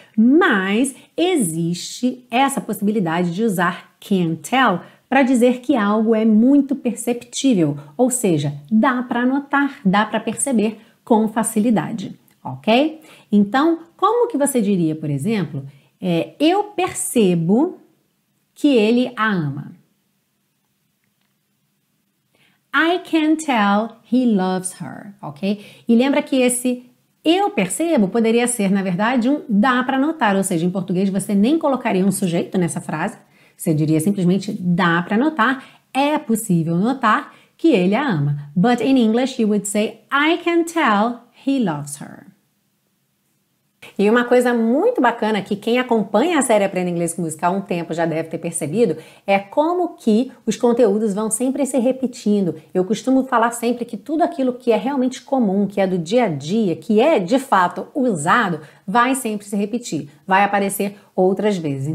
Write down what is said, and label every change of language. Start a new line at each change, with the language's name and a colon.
Portuguese: Mas existe essa possibilidade de usar can tell para dizer que algo é muito perceptível, ou seja, dá para notar, dá para perceber com facilidade, ok? Então, como que você diria, por exemplo, eu percebo que ele a ama.
English: I can tell he loves her, ok?
Portuguese: E lembra que esse eu percebo poderia ser, na verdade, um dá para notar, ou seja, em português você nem colocaria um sujeito nessa frase, você diria simplesmente dá para notar, é possível notar que ele a ama.
English: But in English you would say I can tell he loves her.
Portuguese: E uma coisa muito bacana que quem acompanha a série Aprenda Inglês com Música há um tempo já deve ter percebido é como que os conteúdos vão sempre se repetindo. Eu costumo falar sempre que tudo aquilo que é realmente comum, que é do dia a dia, que é de fato usado, vai sempre se repetir, vai aparecer outras vezes.